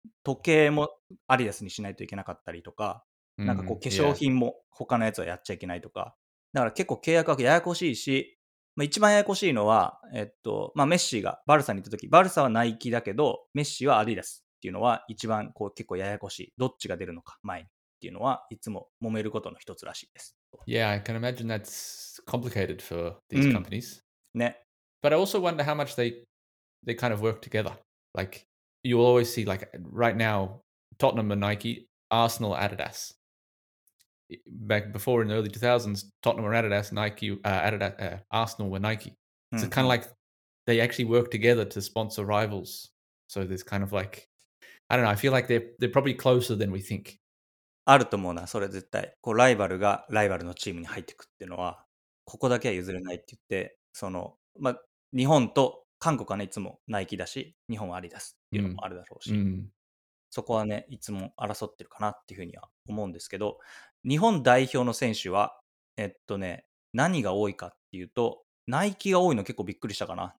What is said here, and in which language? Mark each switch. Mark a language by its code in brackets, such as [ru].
[ja] 時計もアディダスにしないといけなかったりとか、なんかこう、化粧品も他のやつはやっちゃいけないとか。だから結構契約はややこしいし、まあ、一番ややこしいのは、まあ、メッシーがバルサに行った時、バルサはナイキだけど、メッシーはアディダス。っていうのは一番こう結構ややこしい。どっちが出るのか前にっていうのはいつも揉めることの一つらしいです。 [en] Yeah, I can imagine that's complicated for these companies. [ja] ね。 [en] But I also wonder how much they kind of work together. Like, you always see like right now, Tottenham and Nike, Arsenal, Adidas. Back before in the early 2000s, Tottenham were Adidas, Nike, Arsenal were Nike. So kind of like they actually work together to sponsor rivals. So there's kind of like,I don't know. I feel like they're probably closer than we think. [ja] あると思うな。それ絶対。こうライバルがライバルのチームに入ってくっていうのは、ここだけは譲れないって言って、その、まあ、日本と韓国はね、いつもナイキだし、日本はアディダスっていうのもあるだろうし、うん、そこはね、いつも争ってるかなっていうふうには思うんですけど、日本代表の選手は、ね、何が多いかっていうと、ナイキが多いの結構びっくりしたかな。